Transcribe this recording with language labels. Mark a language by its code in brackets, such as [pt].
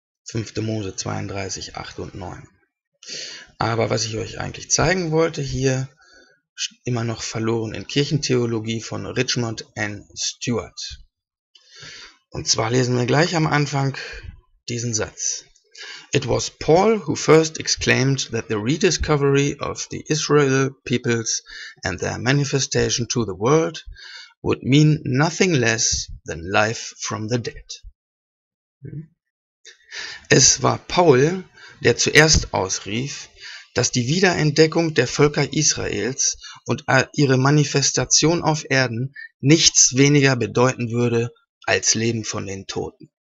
[de] 5. Mose 32, 8 und 9. Aber was ich euch eigentlich zeigen wollte, hier immer noch verloren in Kirchentheologie von Richmond N. Stewart. Und zwar lesen wir gleich am Anfang diesen Satz. [en] It was Paul who first exclaimed that the rediscovery of the Israel peoples and their manifestation to the world would mean nothing less than life from the dead. [de] Es war Paul, der zuerst ausrief, dass die Wiederentdeckung der Völker Israels und ihre Manifestation auf Erden nichts weniger bedeuten würde als Leben von den Toten.